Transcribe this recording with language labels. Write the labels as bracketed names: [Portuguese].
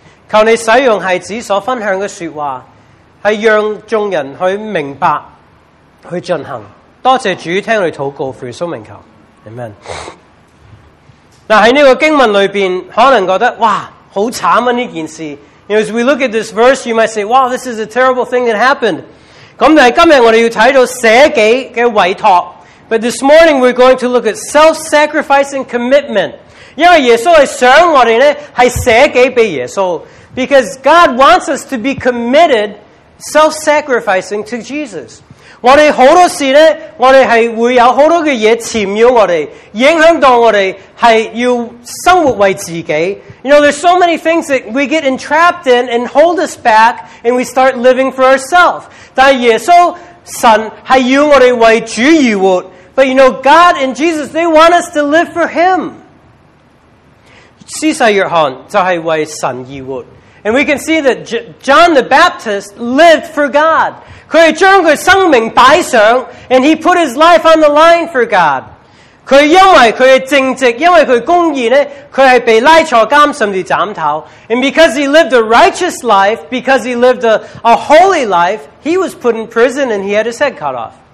[Cantonese] 求你使用孩子所分享嘅说话，系让众人去明白，去进行。多谢主听我哋祷告，奉主名求， Amen。嗱喺呢个经文里边，可能觉得哇好惨啊呢件事。 [English] As we look at this verse, you might say, "Wow, this is a terrible thing that happened." [Cantonese] 咁但系今日我哋要睇到舍己嘅委托。 [English] But this morning we're going to look at self-sacrificing commitment. [Cantonese] 因为耶稣系想我哋咧系舍己俾耶稣。 [English] Because God wants us to be committed, self-sacrificing to Jesus. [Cantonese] 我哋好多事咧，我哋系会有好多嘅嘢缠绕我哋，影响到我哋系要生活为自己。 [English] You know, there's so many things that we get entrapped in and hold us back, and we start living for ourselves. [Cantonese] 但耶稣神系要我哋为主而活。 [English] But you know, God and Jesus, they want us to live for Him. [Cantonese] 施洗约翰就系为神而活。 [English] And we can see that John the Baptist lived for God. [Cantonese] 佢系将佢生命摆上， [English] and he put his life on the line for God. [Cantonese] 佢因为佢系正直，因为佢公义咧，佢系被拉坐监甚至斩头。 [English] And because he lived a righteous life, because he lived a holy life, he was put in prison and he had his head cut off.